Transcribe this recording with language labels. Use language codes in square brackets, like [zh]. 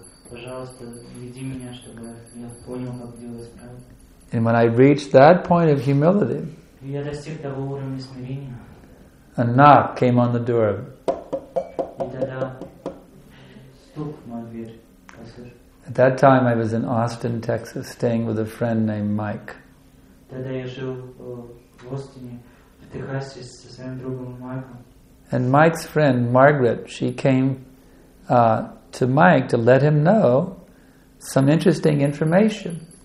[ru] Пожалуйста, веди меня, чтобы я понял, как делать правильно. [en] And when I reached that point of humility, [ru] я достиг того уровня смирения, [en] a knock came on the door. [ru] И тогда стук в мою дверь. [en] At that time I was in Austin, Texas, staying with a friend named Mike. [ru] Тогда я жил в Остине, в Техасе, со своим другом Майком. [en] And Mike's friend, Margaret, she came to Mike to let him know some interesting information.